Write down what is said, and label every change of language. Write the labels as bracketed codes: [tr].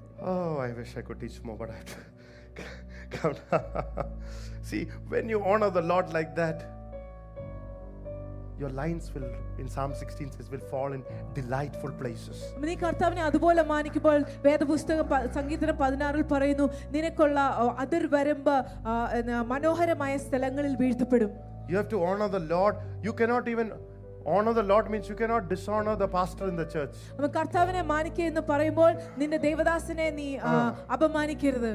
[en] Oh, I wish I could teach more, but I have to come now. See, when you honor the Lord like that, your lines will, in Psalm 16 says, will fall in delightful places. [ml] നീ കർത്താവിനെ അതുപോലെ മാനിക്കുമ്പോൾ വേദപുസ്തകം സംഗീതം 16 ൽ പറയുന്നു, നിനക്കുള്ള അതിർ വരമ്പ് മനോഹരമായ സ്ഥലങ്ങളിൽ വീഴ്ത്തപ്പെടും. [en] You have to honor the Lord. You cannot even honor the Lord means you cannot dishonor the pastor in the church. [ml] നമ്മ കർത്താവിനെ മാനിക്കേ എന്ന് പറയുമ്പോൾ നിന്റെ ദൈവദാസനെ നീ അപമാനിക്കരുത്.